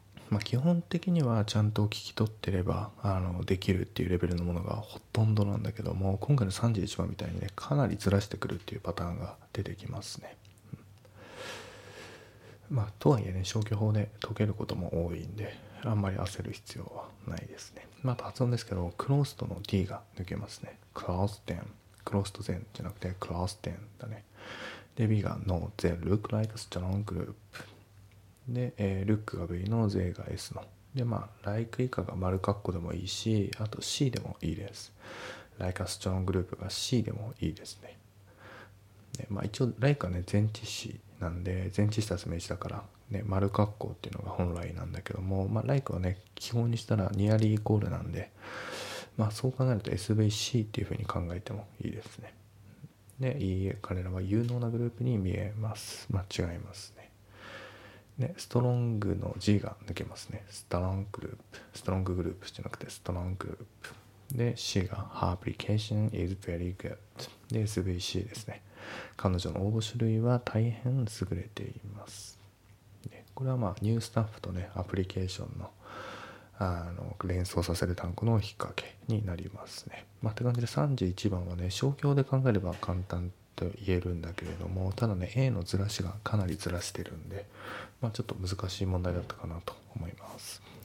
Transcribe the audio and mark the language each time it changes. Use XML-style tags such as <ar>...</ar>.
<ja>まあ基本的にはちゃんと聞き取ってればできるっていうレベルのものがほとんどなんだけども、今回の31番みたいにねかなりずらしてくるっていうパターンが出てきますね。うん、まあとはいえね消去法で解けることも多いんであんまり焦る必要はないですね。まあ発音ですけどクローストの D が抜けますね。</ja> <en>Closed then。</en> <ja>クロスト全じゃなくてクロステンだね。</ja> <en>で B が No, they look like a strong group. で、look が V の they が S の。</en> <ja>でまあ like 以下が丸括弧でもいいし、あと C でもいいです。</ja> <en>like a strong group</en> <ja>が C でもいいですね。でまあ一応 like はね前置詞なんで前置詞たす名詞だから、ね、丸括弧っていうのが本来なんだけども、まあ like はね基本にしたら nearly イコールなんで。まあそう考えると SVC っていうふうに考えてもいいですね。で、いいえ、彼らは有能なグループに見えます。間違いますね。で、ストロングの G が抜けますね。ストロンググループ。ストロンググループじゃなくてストロンググループ。</ja> <en>で、C が Her application is very good。</en> <ja>で、SVC ですね。彼女の応募種類は大変優れています。で、これはまあ、ニュースタッフとね、アプリケーションの連想させる単語の引っ掛けになりますね。まあ、って感じで31番はね消去で考えれば簡単と言えるんだけれども、ただね A のずらしがかなりずらしてるんで、まあ、ちょっと難しい問題だったかなと思います。</ja>